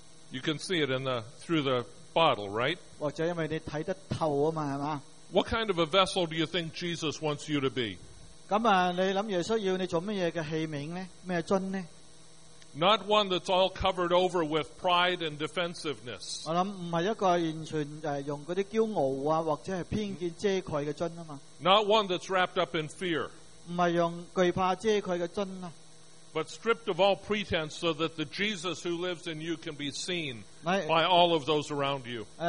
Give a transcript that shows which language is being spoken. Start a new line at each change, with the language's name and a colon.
English: You can see it in the, through the bottle, right?
Chinese: 或者因为你看得透嘛, 是吧?
English: What kind of a vessel do you think Jesus wants you to be?
Chinese: 那, 你想耶稣要你做什么的器皿呢? 什么樽呢?
English: Not one that's all covered over with pride and defensiveness. Not one that's wrapped up in fear. But stripped of all pretense so that the Jesus who lives in you can be seen by all of those around you.